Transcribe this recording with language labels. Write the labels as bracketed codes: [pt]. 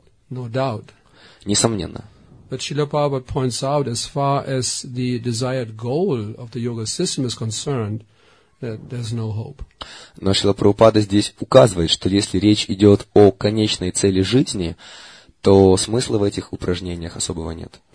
[en] No doubt. [ru] Несомненно. [en] But Srila Prabhupada points out, as far as the desired goal of the yoga system is concerned, there's no hope. [ru] Но Шрила Прабхупада здесь указывает, что если речь идет о конечной цели жизни, то смысла в этих упражнениях особого нет.